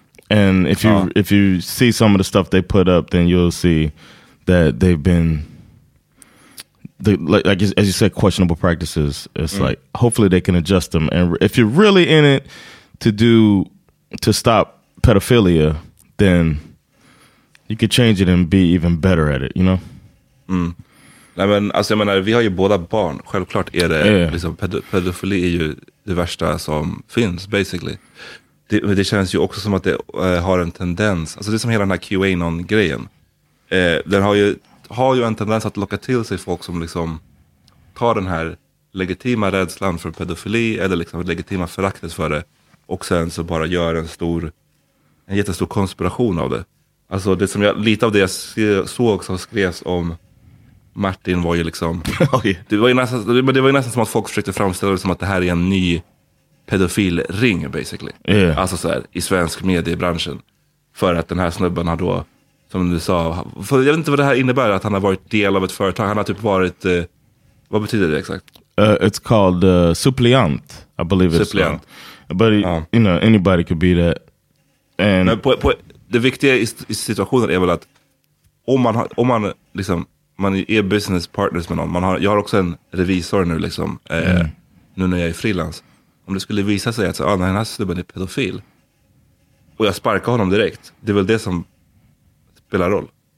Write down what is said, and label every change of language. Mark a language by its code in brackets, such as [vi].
[en] And if you see some of the stuff they put up, then you'll see that they've been like as you said, questionable practices. It's like hopefully they can adjust them. And if you're really in it to stop pedophilia, then you could change it and be even better at it. You know. [sv] Nej, men alltså jag menar, vi har ju båda barn. Självklart är det liksom, pedofili är ju det värsta som finns, basically. Det känns ju också som att det har en tendens, alltså det är som hela den här QAnon-grejen. Den har ju en tendens att locka till sig folk som liksom tar den här legitima rädslan för pedofili eller liksom legitima föraktet för det, och sen så bara gör en jättestor konspiration av det. Alltså det som jag, lite av det jag såg som skrevs om Martin var ju liksom, det var ju nästan som att folk försökte framställa det som att det här är en ny pedofilring, basically. [en] Yeah. [sv] Alltså så här, i svensk mediebranschen. För att den här snubben har då, som du sa, för jag vet inte vad det här innebär, att han har varit del av ett företag. Han har typ varit, vad betyder det exakt? [en] It's called suppliant, I believe it's suppliant. But you know, anybody could be that. And [sv] det viktiga i situationen är väl att om man liksom, man är [en] business partners [sv] med någon. Jag har också en revisor nu liksom. Nu när jag är frilans. Om det skulle visa sig att så, den här snubben är pedofil, och jag sparkar honom direkt, det är väl det som spelar roll.